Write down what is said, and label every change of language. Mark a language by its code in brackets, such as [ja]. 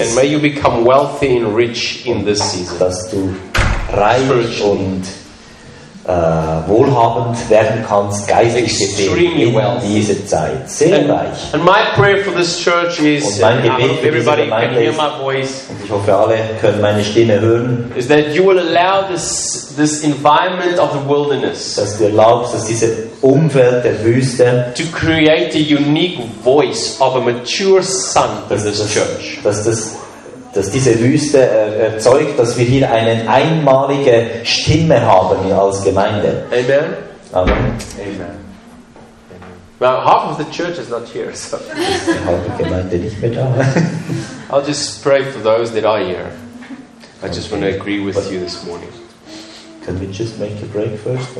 [en] And may you become wealthy and rich in this season. [de] Dass du reich und wohlhabend werden kannst, geistlich gesehen, in dieser Zeit. Sehr [en] and, [de] reich. [en] And my prayer for this church is, [de] und mein Gebet für diese Gemeinde ist, [en] my voice, [de] und ich hoffe, alle können meine Stimme hören, ist, dass du dieses [en] Environment of the Wilderness, [de] dass du erlaubst, dass diese Umwelt der Wüste, [en] to create a unique voice of a mature son in this church. [de] Dass diese Wüste erzeugt, dass wir hier eine einmalige Stimme haben als Gemeinde. [en] Amen. [de] Amen. Amen. [en] Well, half of the church is not here, so. [de] Die halbe Gemeinde nicht mehr da. [en] I'll just pray for those that are here. I just want to agree with you this morning. Can we just make a break first?